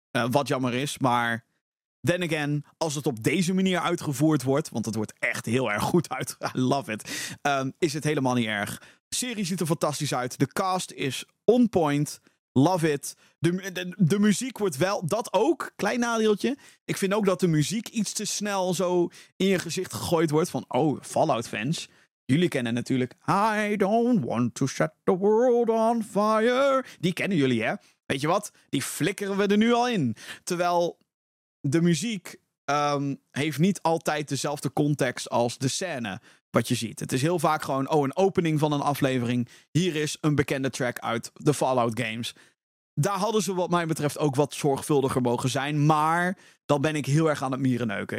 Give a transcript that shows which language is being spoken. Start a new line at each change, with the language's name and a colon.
Dutch: Wat jammer is, maar
English: then again,
Dutch: als het op deze manier uitgevoerd wordt, want het wordt echt heel erg goed uit,
English: I love it,
Dutch: is het helemaal niet erg. De serie ziet er fantastisch uit. De cast is
English: on point. Love it.
Dutch: De muziek wordt wel... Dat ook, klein nadeeltje. Ik vind ook dat de muziek iets te snel zo in je gezicht gegooid wordt. Van, oh, Fallout fans. Jullie kennen natuurlijk...
English: I don't want to set the world on fire.
Dutch: Die kennen jullie, hè? Weet je wat? Die flikkeren we er nu al in. Terwijl de muziek heeft niet altijd dezelfde context als de scène wat je ziet. Het is heel vaak gewoon, oh, een opening van een aflevering. Hier is een bekende track uit de Fallout games. Daar hadden ze wat mij betreft ook wat zorgvuldiger mogen zijn, maar dan ben ik heel erg aan het mierenneuken.